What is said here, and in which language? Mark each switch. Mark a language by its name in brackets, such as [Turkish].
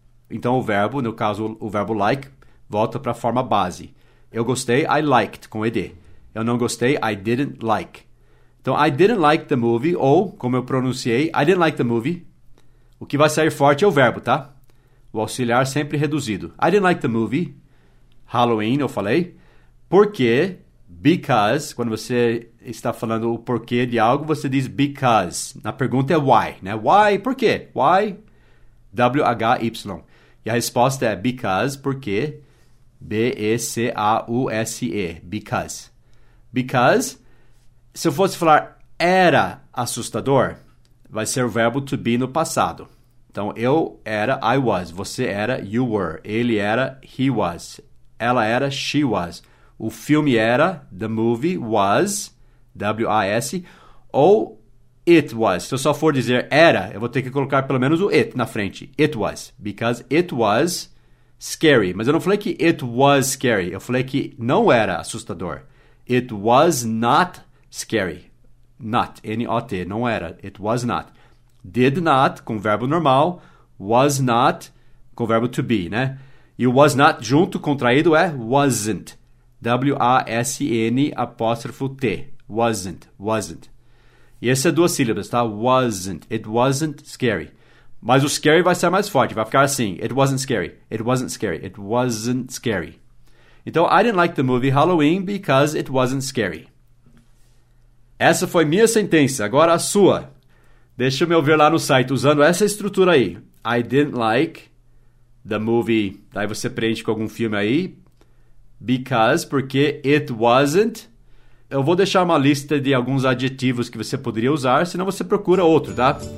[Portuguese] Então o verbo, no caso o verbo like, volta para a forma base. Eu gostei, I liked, com ED. Eu não gostei, [English] I didn't like. Então I didn't like the movie, [Portuguese] ou como eu pronunciei, [English] I didn't like the movie. [Portuguese] O que vai sair forte é o verbo, tá? O auxiliar sempre reduzido. [English] I didn't like the movie, Halloween, [Portuguese] eu falei. Por quê? Because, quando você está falando o porquê de algo, você diz because. Na pergunta é why, né? Why, por quê? Why, W-H-Y. E a resposta é because, porque, B-E-C-A-U-S-E, because. Because, se eu fosse falar era assustador, vai ser o verbo to be no passado. Então, eu era, I was, você era, you were, ele era, he was, ela era, she was. O filme era, the movie was, W-A-S, ou it was. Se eu só for dizer era, eu vou ter que colocar pelo menos o it na frente. [English] It was, because it was scary. [Portuguese] Mas eu não falei que it was scary, eu falei que não era assustador. [English] It was not scary. Not, N-O-T, não era, it was not. Did not, com verbo normal, was not, com verbo to be, né? [Portuguese] E o was not junto, contraído, é wasn't. [English] W-A-S-N apóstrofo T. Wasn't, wasn't. [Portuguese] E essas são duas sílabas, tá? Wasn't, it wasn't scary. Mas o scary vai ser mais forte, vai ficar assim. [English] It wasn't scary, it wasn't scary, it wasn't scary. Então, I didn't like the movie Halloween because it wasn't scary. [Portuguese] Essa foi minha sentença, agora a sua. Deixa eu me ouvir lá no site, usando essa estrutura aí. [English] I didn't like the movie. [Portuguese] Daí você preenche com algum filme aí. Because, porque it wasn't. Eu vou deixar uma lista de alguns adjetivos que você poderia usar, senão você procura outro, tá?